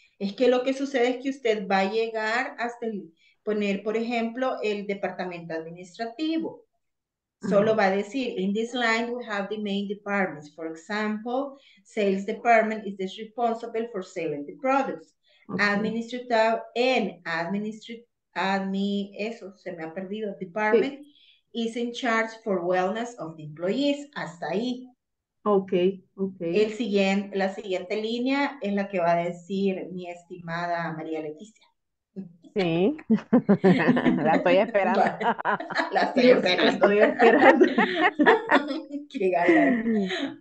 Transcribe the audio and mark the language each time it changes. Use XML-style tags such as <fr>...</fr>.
<es>Es que lo que sucede es que usted va a llegar hasta poner, por ejemplo, el departamento administrativo. Solo va a decir,</es> <en>in this line we have the main departments. For example, sales department is responsible for selling the products. Okay.</en> <es>Department sí.</es> <en>Is in charge for wellness of the employees.</en> <es>Hasta ahí.</es> <en>Okay.</en> <es>La siguiente línea es la que va a decir mi estimada María Leticia. Sí, la estoy esperando. Bueno, la estoy esperando. Qué gala.</es>